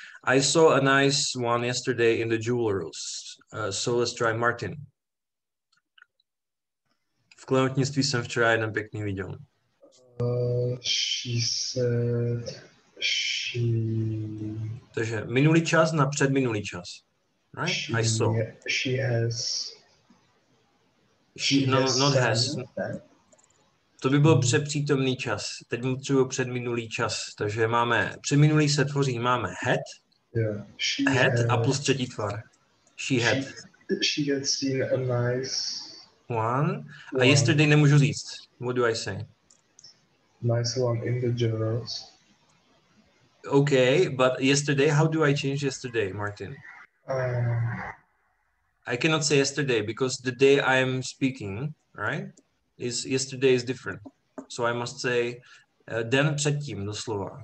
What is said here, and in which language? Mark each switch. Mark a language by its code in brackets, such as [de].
[en] I saw a nice one yesterday in the jewelers. So let's try Martin. [cs] V klenotnictví jsem včera jeden pěkný viděl. [en] She said she. [cs] Takže minulý čas na předminulý čas. [en] Right? She, I saw. She has. She has not has. [cs] To by byl přepřítomný čas. Teď mu třeba předminulý čas. Takže máme předminulý se tvoří. Máme had. [en] Yeah. [cs] Had a plus třetí tvar. [en] She had. She had seen a nice one. [cs] A yesterday nemůžu říct. [en] What do I say? Nice one in the generals. Okay, but yesterday, how do I change yesterday, Martin? I cannot say yesterday because the day I am speaking, right? Is yesterday is different. So I must say [cs] den předtím, doslova.